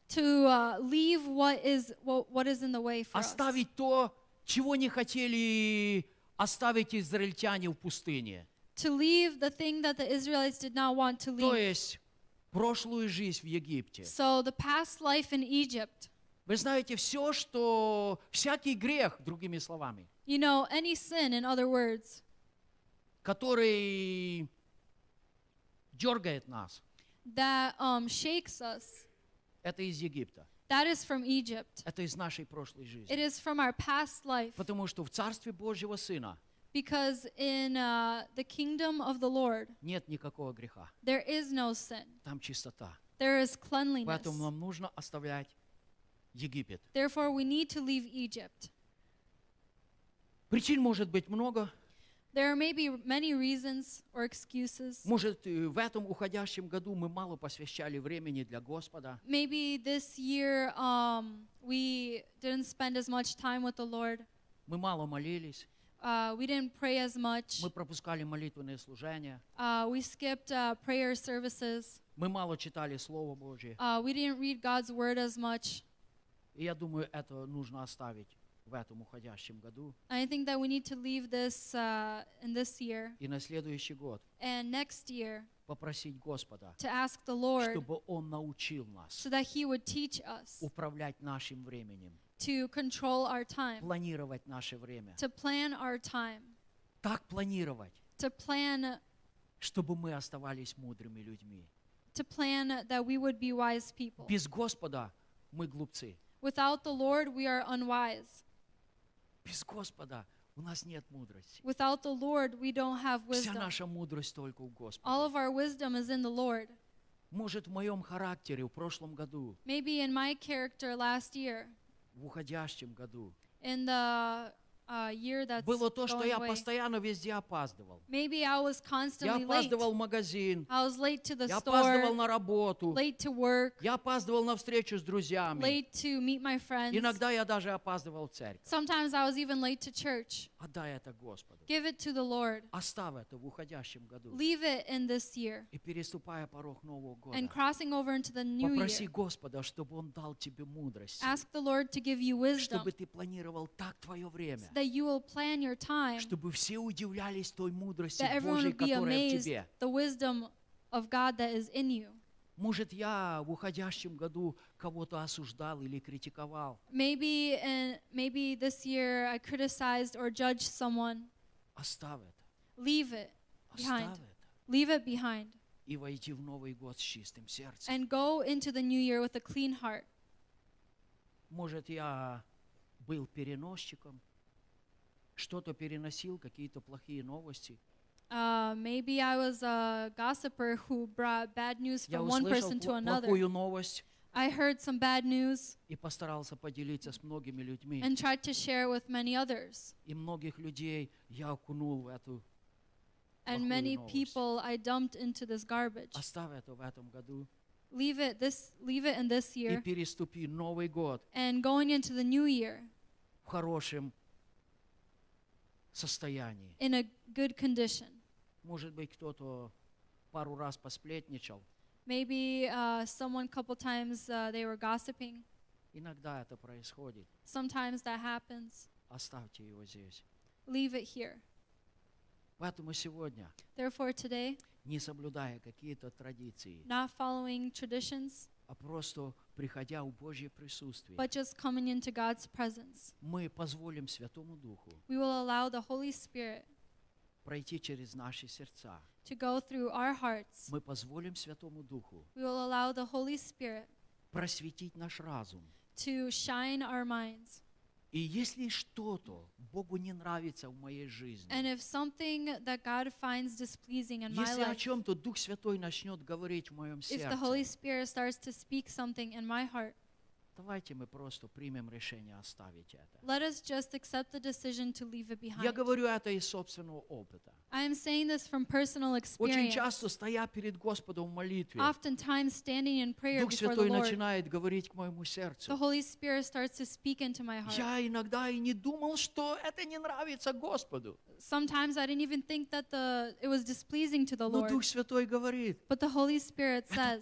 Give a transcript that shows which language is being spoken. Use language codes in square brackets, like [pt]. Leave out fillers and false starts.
[en] To leave what is in the way for [ru] оставить [en] us. [ru] То, чего не хотели оставить израильтяне в пустыне. [en] To leave the thing that the Israelites did not want to leave. [ru] То есть прошлую жизнь в Египте. [en] So the past life in Egypt. [ru] Вы знаете все, что всякий грех, другими словами. [en] You know any sin, in other words. [ru] Который дергает нас. [en] That shakes us. [ru] Это из Египта. [en] That is from Egypt. [ru] Это из нашей прошлой жизни. [en] It is from our past life. [ru] Потому что в Царстве Божьего Сына. [en] Because in the kingdom of the Lord. [ru] Нет никакого греха. [en] There is no sin. [ru] Там чистота. [en] There is cleanliness. [ru] Поэтому нам нужно оставлять Египет. [en] Therefore, we need to leave Egypt. [ru] Причин может быть много. [en] There may be many reasons or excuses. [ru] Может, в этом уходящем году мы мало посвящали времени для Господа. [en] Maybe this year we didn't spend as much time with the Lord. [ru] Мы мало молились. [en] We didn't pray as much. [ru] Мы пропускали молитвенные служения. [en] We skipped prayer services. [ru] Мы мало читали Слово Божие. [en] We didn't read God's word as much. [ru] И я думаю, это нужно оставить. В этом уходящем году. [en] I think that we need to leave this in this year. [ru] И на следующий год. [en] And next year. [ru] Попросить Господа. [en] To ask the Lord. [ru] Чтобы Он научил нас. [en] So that He would teach us. [ru] Управлять нашим временем. [en] To control our time. [ru] Планировать наше время. [en] To plan our time. [ru] Так планировать. [en] To plan. [ru] Чтобы мы оставались мудрыми людьми. [en] To plan that we would be wise people. [ru] Без Господа мы глупцы. [en] Without the Lord, we are unwise. [ru] Без Господа у нас нет мудрости. [en] Without the Lord, we don't have wisdom. [ru] Вся наша мудрость только у Господа. [en] All of our wisdom is in the Lord. [ru] Может, в моем характере в прошлом году. [en] Maybe in my character last year. [ru] В уходящем году. [en] In the year that's [ru] было то, [en] going [ru] что я [en] away. [ru] Постоянно везде опаздывал. [en] Maybe I was constantly late. [ru] Я опаздывал в магазин. [en] I was late to the [ru] я [en] store. [ru] Я опаздывал на работу. [en] Late to work. [ru] Я опаздывал на встречу с друзьями. [en] Late to meet my friends. [ru] Иногда я даже опаздывал в церковь. [en] Sometimes I was even late to church. [ru] Отдай это Господу. [en] Give it to the Lord. [ru] Оставь это в уходящем году. [en] Leave it in this year. [ru] И переступая порог нового года. [en] And crossing over into the new year. [ru] Попроси Господа, чтобы Он дал тебе мудрость. [en] Ask the Lord to give you wisdom. [ru] Чтобы ты планировал так твое время. [en] That you will plan your time. [ru] Чтобы все удивлялись той мудрости [en] that everyone [ru] Божьей, [en] would be amazed the wisdom of God that is in you. [ru] Может, я в уходящем году кого-то осуждал или критиковал. [en] Maybe this year I criticized or judged someone. [ru] Оставь это. [en] Leave it behind. Leave it behind. [ru] И войди в новый год с чистым сердцем. [en] And go into the new year with a clean heart. [ru] Может, я был переносчиком. Что-то переносил, какие-то плохие новости. [en] Maybe I was a gossiper who brought bad news from one person to another. [ru] Я услышал плохую новость. [en] I heard some bad news. [ru] И постарался поделиться с многими людьми. [en] And tried to share with many others. [ru] И многих людей я окунул в эту [en] And many people I dumped into this garbage. [ru] Оставь это в этом году. [en] Leave it in this year. [ru] И переступи новый год. [en] And going into the new year. [ru] В хорошем состоянии. [en] In a good condition. [ru] Может быть, кто-то пару раз посплетничал. [en] Maybe someone a couple times they were gossiping. [ru] Иногда это происходит. [en] Sometimes that happens. [ru] Оставьте его здесь. [en] Leave it here. [ru] Поэтому сегодня. [en] Therefore today. [ru] Не соблюдая какие-то традиции. [en] Not following traditions. [ru] А просто приходя в Божье присутствие, [en] but just coming into God's presence, [ru] мы позволим Святому Духу [en] we will allow the Holy Spirit [ru] пройти через наши сердца. [en] To go through our hearts. [ru] Мы позволим Святому Духу [en] we will allow the Holy Spirit [ru] просветить наш разум. [en] To shine our minds. [ru] И если что-то Богу не нравится в моей жизни, [en] and if something that God finds displeasing in my life, [ru] если о чем-то Дух Святой начнет говорить в моем сердце, [en] if the Holy Spirit starts to speak something in my heart, [ru] Давайте мы просто примем решение оставить это. [en] Let us just accept the decision to leave it behind. [ru] Я говорю это из собственного опыта. [en] I am saying this from personal experience. [ru] Очень часто стоя перед Господом в молитве, [en] oftentimes standing in prayer [ru] Дух Святой [en] before the [ru] начинает [en] Lord, [ru] говорить к моему сердцу. [en] The Holy Spirit starts to speak into my heart. [ru] Я иногда и не думал, что это не нравится Господу. [en] Sometimes I didn't even think that it was displeasing to the Lord. [ru] Но Дух Святой говорит, [en] but the Holy Spirit says,